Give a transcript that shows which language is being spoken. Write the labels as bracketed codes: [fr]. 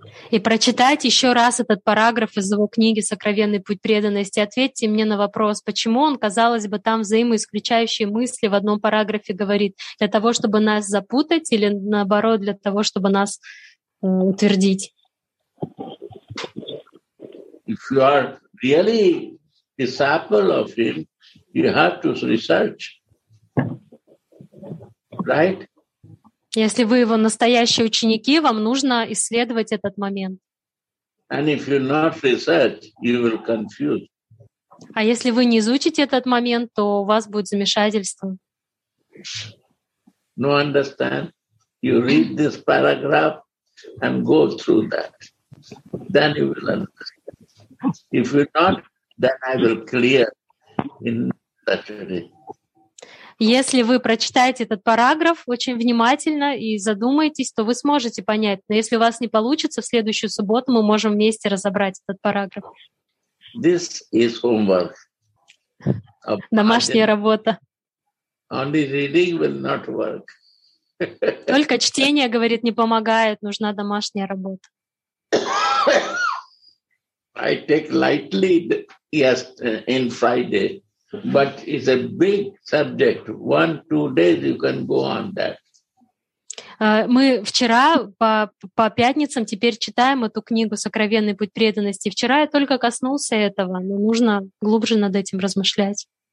[ru] И прочитайте еще раз этот параграф из его книги «Сокровенный путь преданности». Ответьте мне на вопрос, почему он, казалось бы, там взаимоисключающие мысли в одном параграфе говорит, для того, чтобы нас запутать или, наоборот, для того, чтобы нас утвердить? [en] If you are really disciple of him, you have to research. Right? [ru] Если вы его настоящие ученики, вам нужно исследовать этот момент. [en] And if you not research, you will confuse. [ru] А если вы не изучите этот момент, то у вас будет замешательство. [en] No, understand? You read this paragraph and go through that. Then you will understand. If you not, then I will clear in that way. [ru] Если вы прочитаете этот параграф очень внимательно и задумаетесь, то вы сможете понять. Но если у вас не получится, в следующую субботу мы можем вместе разобрать этот параграф. [en] This is homework. [ru] Домашняя работа. [en] Only reading will not work. [ru] Только чтение, говорит, не помогает. Нужна домашняя работа. [en] I take lightly yes, in Friday. But it's a big subject. One, two days you can go on that. [ru] Мы вчера по пятницам теперь читаем эту книгу «Сокровенный путь преданности». Вчера я только коснулся этого, но нужно глубже над этим размышлять.